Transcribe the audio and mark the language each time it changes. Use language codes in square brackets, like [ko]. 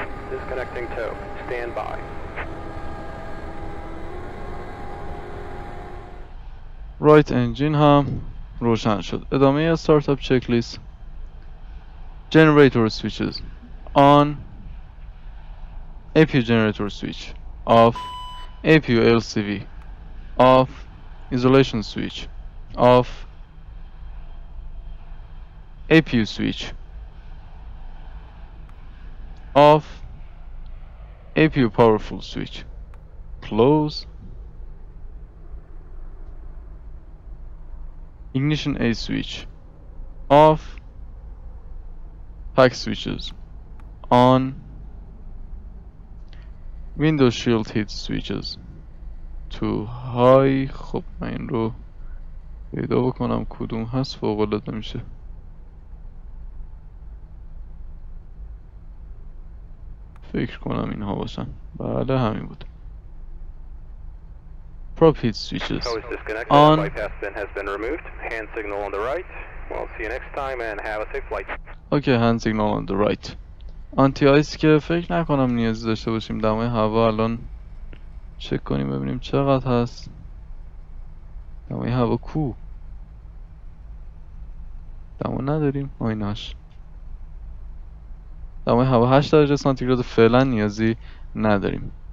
[en] Disconnecting tow. Stand by. [fa] رایت انجین هم روشن شد. ادامه یه استارتاپ چک لیست. [en] Generator switches on, APU generator switch off, APU LCV off, isolation switch off, APU switch off, APU powerful switch close, Ignition A switch off, pack switches on, window shield heat switches to high. [fa] خب من این رو پیدا بکنم کدوم هست فوق العاده میشه. فکر کنم اینها باشن. بله همین بود. [en] Prop heat switches on. Bypass pin has been removed. Hand signal on the right. We'll see you next time and have a safe flight. Okay, hand signal on the right. [fa] Anti-ice که فکر نکنم نیاز داشته باشیم. دمای هوا الان چک کنیم ببینیم چقدر هست. دمای هوا کو دمو نداریم. آیناش دمای هوا 8 درجه سانتیگراد فعلا نیازی نداریم.